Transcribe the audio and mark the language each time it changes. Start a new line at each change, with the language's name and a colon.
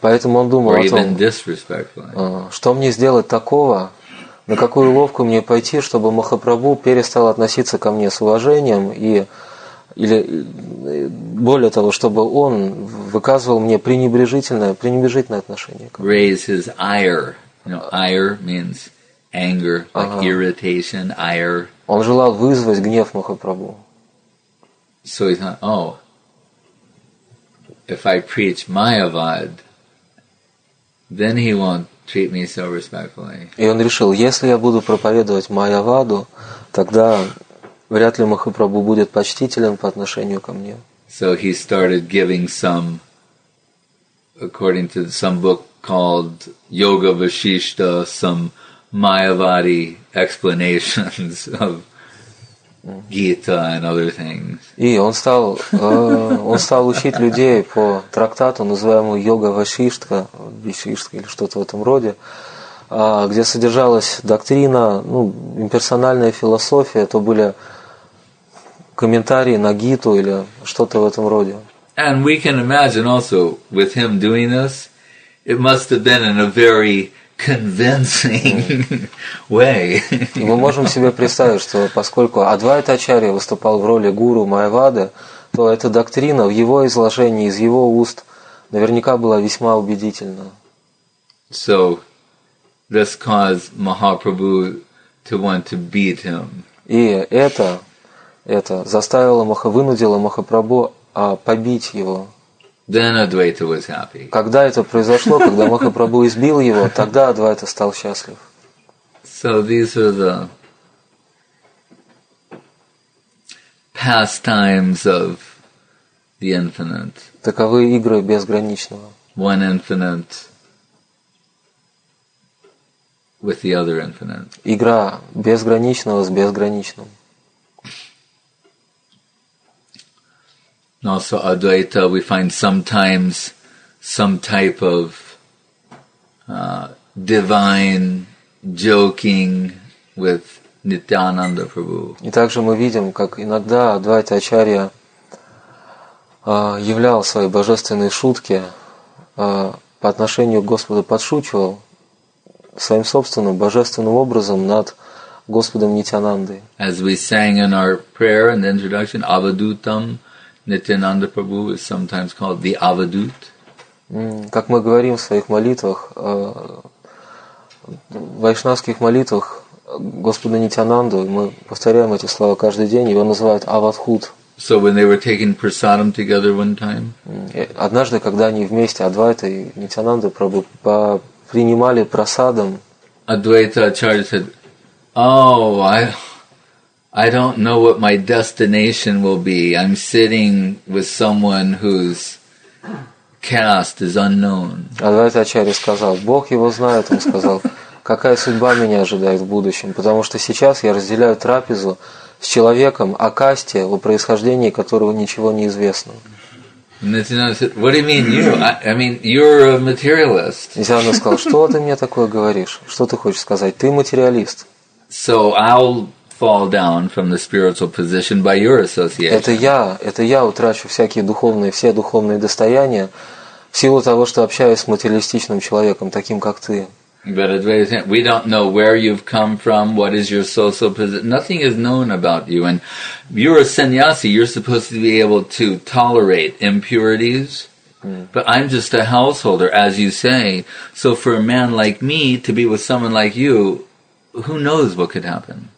Russian: Поэтому он думал о том, что мне сделать такого? На какую ловку мне пойти, чтобы Махапрабху перестал относиться ко мне с уважением, или более того, чтобы он выказывал мне пренебрежительное отношение.
English: Raise his ire. You know, ire means anger, like irritation, ire.
Russian: Он желал вызвать гнев Махапрабху.
English: So he thought, oh, if I preach Mayavad, then he won't treat me so respectfully.
Russian: И он решил, если я буду проповедовать Майяваду, тогда вряд ли Махапрабху будет почтителен по отношению ко мне.
English: So he started giving some, according to some book called Yoga Vashishta, some Mayavadi explanations of Gita and other things.
Russian: И он стал учить людей по трактату, называемому Йога Васиштха, Васиштха или что-то в этом роде, где содержалась доктрина, ну, имперсональная философия, это были комментарии на Гиту или что-то в этом роде.
English: And we can imagine also with him doing this, it must have been in a very convincing way.
Russian: Мы можем себе представить, что поскольку Адвайта Ачарья выступал в роли гуру Майявады, то эта доктрина в его изложении, из его уст, наверняка была весьма убедительна.
English: So this caused Mahaprabhu to want to beat him.
Russian: И это заставило вынудило Махапрабху побить его.
English: Then Advaita was happy.
Russian: Когда это произошло, когда Махапрабху избил его, тогда Адвайта стал счастлив.
English: So these are the pastimes of the infinite.
Russian: Таковы игры безграничного.
English: One infinite with the other infinite.
Russian: Игра безграничного с безграничным.
English: Also, Advaita, we find sometimes some type of divine joking with Nityananda Prabhu.
Russian: И также мы видим, как иногда Адвайта Ачарья являл свои божественные шутки по отношению к Господу, подшучивал своим собственным божественным образом над Господом Нитянандой.
English: As we sang in our prayer in the introduction, Avadutam. Nityananda Prabhu is sometimes called the Avadut.
Russian: Как мы говорим в своих молитвах, в вайшнавских молитвах Господа Нитянанду, мы повторяем эти слова каждый день, его называют Avadhut.
English: So when they were taking prasadam together one time?
Russian: Однажды, когда они вместе, Адвайта и Нитянанда Прабху, принимали прасадам,
English: Адвайта Ачарья said, "Oh, I don't know what my destination will be. I'm sitting with someone whose caste is unknown."
Russian: Адвайта Ачарья сказал, Бог его знает, он сказал, какая судьба меня ожидает в будущем, потому что сейчас я разделяю трапезу с человеком о касте, о происхождении которого ничего не известно.
English: Nityananda said, "What do you mean? You? I mean, you're a materialist."
Russian: Нитянанда сказал, что ты мне такое говоришь? Что ты хочешь сказать? Ты материалист.
English: So I'll fall down from the spiritual position by your association. Это я утрачу все духовные достояния в силу того, что общаюсь с материалистичным человеком, таким как ты. But we don't know where you've come from, what is your social position. Nothing is known about you, and you're a sannyasi. You're supposed to be able to tolerate impurities. But I'm just a householder, as you say. So for a man like me to be with someone like you, who knows what could happen?